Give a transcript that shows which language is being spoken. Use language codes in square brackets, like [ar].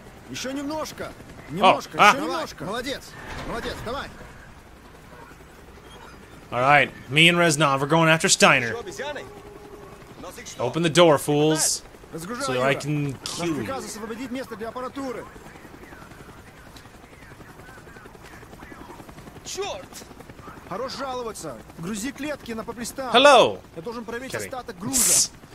[ru] Еще немножко, немножко, еще немножко. Молодец, молодец, давай. [en] All right, me and Reznov are going after Steiner. Open the door, fools, so I can kill you. [ru] Приказ освободить место для аппаратуры. Черт! Хорош жаловаться. Грузи клетки на поплеста. [en] Hello. [ru] Я должен проверить остаток груза.